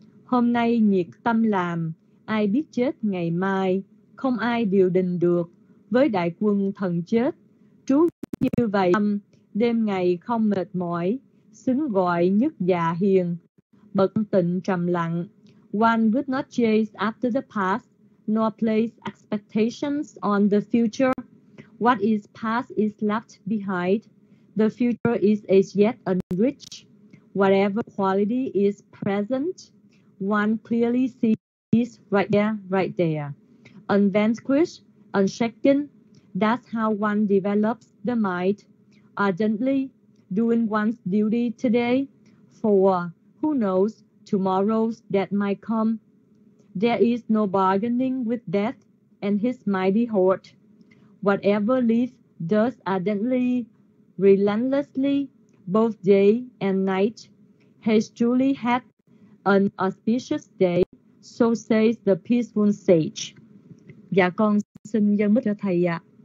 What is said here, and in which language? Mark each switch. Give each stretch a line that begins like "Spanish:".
Vietnamese: Hôm nay nhiệt tâm làm, ai biết chết ngày mai, không ai điều đình được, với đại quân thần chết, trú như vậy đêm ngày không mệt mỏi, xứng gọi nhất dạ hiền, bậc tịnh trầm lặng.
English: One would not chase after the past, nor place expectations on the future. What is past is left behind. The future is as yet unreached. Whatever quality is present, one clearly sees right there, right there. Unvanquished, unshaken, that's how one develops the mind, ardently doing one's duty today, for who knows tomorrow's that might come. There is no bargaining with death. and his mighty heart. Whatever lives does ardently, relentlessly, both day and night, has truly had an auspicious day, so says the peaceful sage.
Vietnamese: Dạ con xin dâng mic cho thầy ạ.